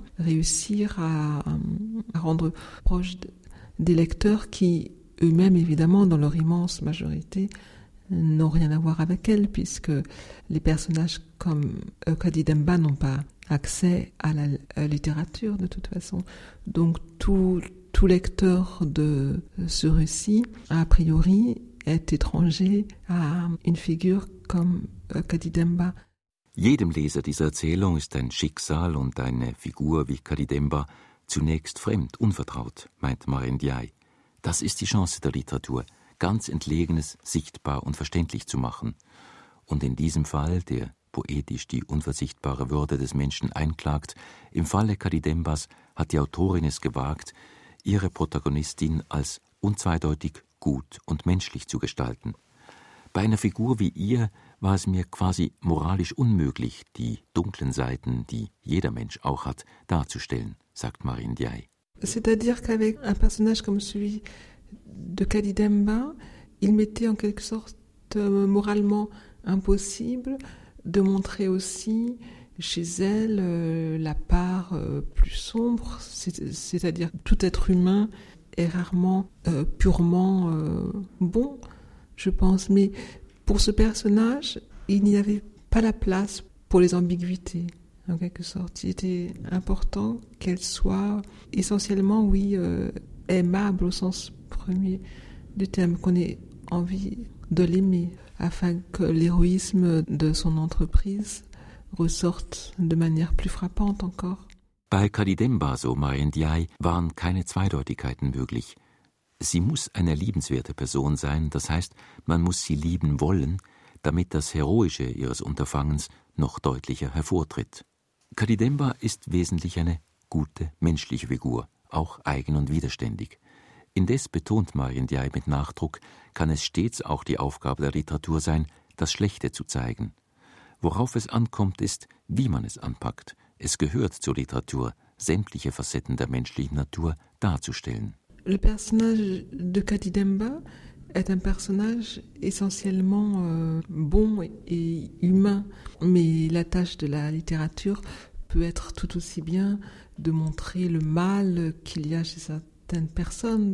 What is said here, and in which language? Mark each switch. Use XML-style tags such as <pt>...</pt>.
<fr>Réussir à rendre proche des lecteurs qui, eux-mêmes, évidemment, dans leur immense majorité, n'ont rien à voir avec elle, puisque les personnages comme Kadidemba n'ont pas accès à la littérature, de toute façon. Donc, tout lecteur de ce récit, a priori, est étranger à une figure comme Kadidemba.</fr> <de>Jedem Leser dieser Erzählung ist ein Schicksal und eine Figur wie Kadidemba zunächst fremd, unvertraut, meint Marian Diay. Das ist die Chance der Literatur, ganz Entlegenes sichtbar und verständlich zu machen. Und in diesem Fall, der poetisch die unversichtbare Würde des Menschen einklagt, im Falle Kadidembas hat die Autorin es gewagt, ihre Protagonistin als unzweideutig gut und menschlich zu gestalten. Bei einer Figur wie ihr war es mir quasi moralisch unmöglich, die dunklen Seiten, die jeder Mensch auch hat, darzustellen, sagt Marian Diay.</de> <fr>C'est-à-dire qu'avec un personnage comme celui de Kadidemba, il m'était en quelque sorte moralement impossible de montrer aussi chez elle la part plus sombre. C'est-à-dire que tout être humain est rarement purement bon, je pense. Mais pour ce personnage, il n'y avait pas la place pour les ambiguïtés. En quelque sorte, il était important qu'elle soit essentiellement, oui, aimable au sens premier du terme, qu'on ait envie de l'aimer, afin que l'héroïsme de son entreprise ressorte de manière plus frappante encore.</fr> <de>Bei Kadidemba, so Marian Diay, waren keine Zweideutigkeiten möglich. Sie muss eine liebenswerte Person sein, das heißt, man muss sie lieben wollen, damit das Heroische ihres Unterfangens noch deutlicher hervortritt. Kadidemba ist wesentlich eine gute, menschliche Figur, auch eigen und widerständig. Indes, betont Marian Diay mit Nachdruck, kann es stets auch die Aufgabe der Literatur sein, das Schlechte zu zeigen. Worauf es ankommt, ist, wie man es anpackt. Es gehört zur Literatur, sämtliche Facetten der menschlichen Natur darzustellen.</de> <fr>Le personnage de Kadidemba est un personnage essentiellement bon et humain, mais la tâche de la littérature peut être tout aussi bien de montrer le mal qu'il y a chez certaines personnes.</fr>